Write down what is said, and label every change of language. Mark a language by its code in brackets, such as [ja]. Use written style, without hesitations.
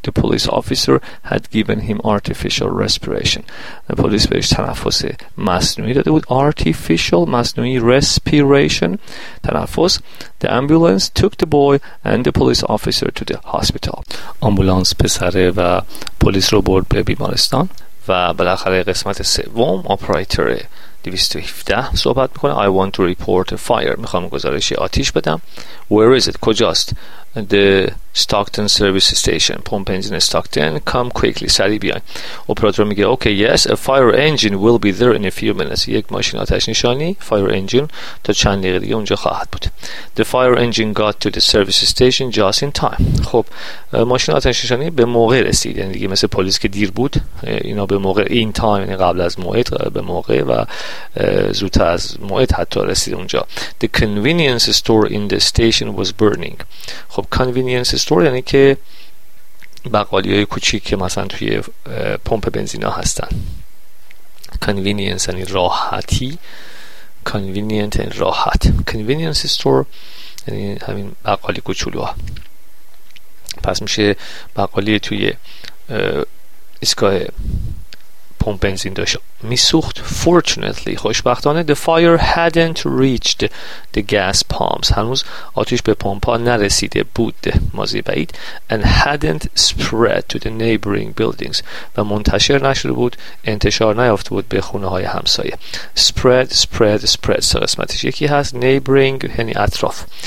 [en] The police officer had given him artificial respiration. [fa] پلیس بهش تنفس مصنوعی داده بود. [en] Artificial مصنوعی respiration تنفس. The ambulance took the boy and the police officer to the hospital. [fa] آمبولانس پسره و پلیس رو برد به بیمارستان. و بالاخره قسمت سوم. Operator 217 صحبت میکنه. [en] I want to report a fire. [fa] میخوام گزارش آتیش بدم. [en] Where is it? [fa] کجاست؟ [en] The Stockton Service Station. Pump engine Stockton. Come quickly. [fa] سریع بیاین. اپراتور میگه [en] Okay, yes. A fire engine will be there in a few minutes. [fa] یک ماشین آتش نشانی. [en] Fire engine. [fa] تا چند دقیقه دیگه اونجا خواهد بود. [en] The fire engine got to the service station just in time. [fa] خب ماشین آتش نشانی به موقع رسید. یعنی دیگه مثل پلیس که دیر بود. اینا به موقع. [en] In time. [fa] یعنی قبل از موعد. به موقع و زودتر از موعد حتی رسید اونجا. [en] The convenience store in the station was burning. [fa] خب کانوینینس استور یعنی که بقالیای کوچیک که مثلا توی پمپ بنزینا هستن. کانوینینس یعنی راحتی. کانوینینت یعنی راحت. کانوینینس استور یعنی همین بقالی کوچولوها. پس میشه بقالی توی اسکای پمپ بنزین داشت میسوخت. [en] Fortunately خوشبختانه the fire hadn't reached the gas pumps. [fa] هنوز آتش به پمپا نرسیده بود. ماضی بعید. [en] And hadn't spread to the neighboring buildings. [fa] و منتشر نشده بود، انتشار نیافته بود به خونه های همسایه. Spread سه قسمتش. یکی هست neighboring یعنی اطراف.